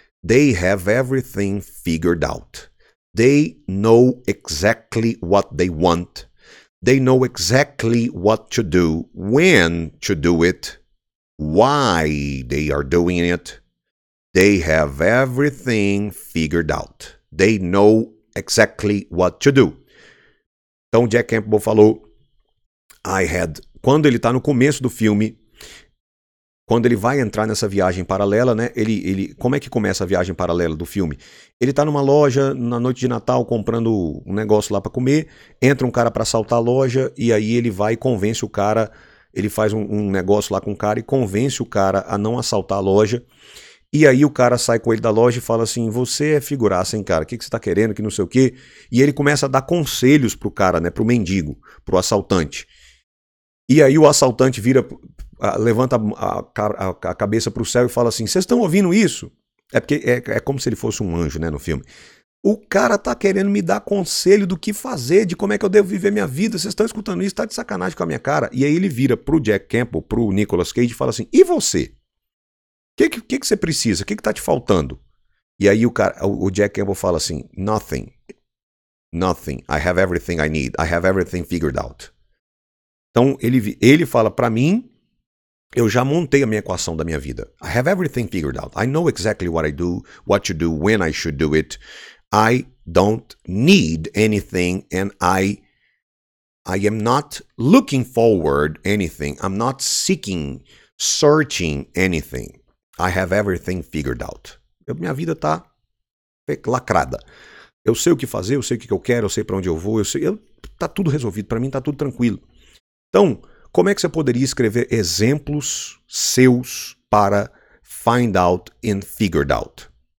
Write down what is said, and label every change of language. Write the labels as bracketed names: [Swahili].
[English] They have everything figured out. They know exactly what they want. They know exactly what to do, when to do it, why they are doing it. They have everything figured out. They know exactly what to do. [Portuguese] Então, Jack Campbell falou, quando ele está no começo do filme, quando ele vai entrar nessa viagem paralela, né? Ele, como é que começa a viagem paralela do filme? Ele tá numa loja na noite de Natal comprando um negócio lá para comer, entra um cara para assaltar a loja e aí ele vai e convence o cara, ele faz um negócio lá com o cara e convence o cara a não assaltar a loja. E aí o cara sai com ele da loja e fala assim, você é figuraça, hein, cara? O que você tá querendo? Que não sei o quê. E ele começa a dar conselhos pro cara, né? Pro mendigo, pro assaltante. E aí o assaltante vira, levanta a cabeça para o céu e fala assim, vocês estão ouvindo isso? É porque é como se ele fosse um anjo, né, no filme. O cara tá querendo me dar conselho do que fazer, de como é que eu devo viver minha vida. Vocês estão escutando isso? Está de sacanagem com a minha cara. E aí ele vira para o Jack Campbell, para o Nicolas Cage e fala assim, e você? O que você precisa? O que está te faltando? E aí o Jack Campbell fala assim, [English] nothing. Nothing. I have everything I need. I have everything figured out. [Portuguese] Então, ele fala para mim, eu já montei a minha equação da minha vida. [English] I have everything figured out. I know exactly what I do, what to do, when I should do it. I don't need anything and I am not looking forward anything. I'm not seeking, searching anything. I have everything figured out. [Portuguese] Minha vida está lacrada. Eu sei o que fazer, eu sei o que eu quero, eu sei para onde eu vou, está tudo resolvido, para mim está tudo tranquilo. Então, como é que você poderia escrever exemplos seus para [English] find out and figured out?